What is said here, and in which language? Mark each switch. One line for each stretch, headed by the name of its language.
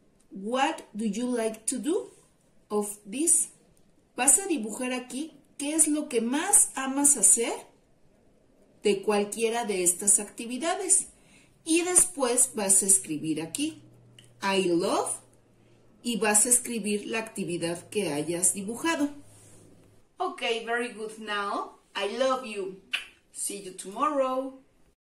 English: What do you like to do of this?
Spanish: Vas a dibujar aquí qué es lo que más amas hacer de cualquiera de estas actividades. Y después vas a escribir aquí,
English: I love,
Spanish: y vas a escribir la actividad que hayas dibujado.
English: Okay, very good now. I love you. See you tomorrow.